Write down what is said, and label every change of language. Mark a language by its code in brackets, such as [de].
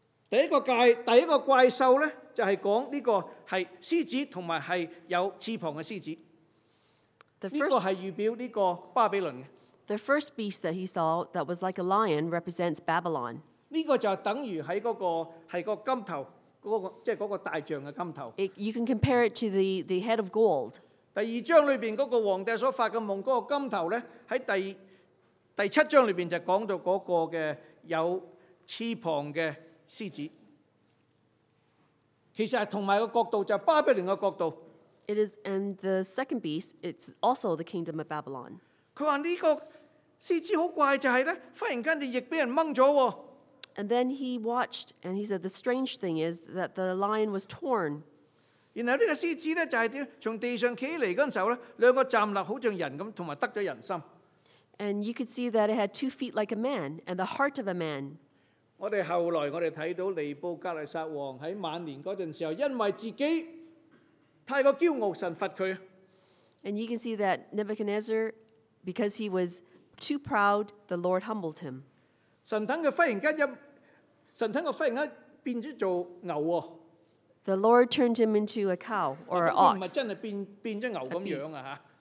[zh] 第一個怪獸呢,就是講這個是獅子,而且是有翅膀的獅子。 [en] The first beast that he saw that was like a lion represents Babylon. You can compare it to the head of gold. And it It is, and the second beast, it's also the kingdom of Babylon. [zh] 他說這個獅子很怪,就是忽然間翼被人拔了。 [en] And then he watched, and he said, the strange thing is that the lion was torn. [zh] 然後這個獅子就是從地上站起來的時候,兩個站立好像人,還有得了人心。 [en] And you could see that it had 2 feet like a man, and the heart of a man. [zh] 我們後來看到尼布甲利撒王在晚年的時候,因為自己太驕傲神罰他。 [en] And you can see that Nebuchadnezzar, because he was too proud, the Lord humbled him. [zh] 神等他忽然間變成牛。 [en] The Lord turned him into a cow or an ox. [zh] 他不是真的變成牛那樣。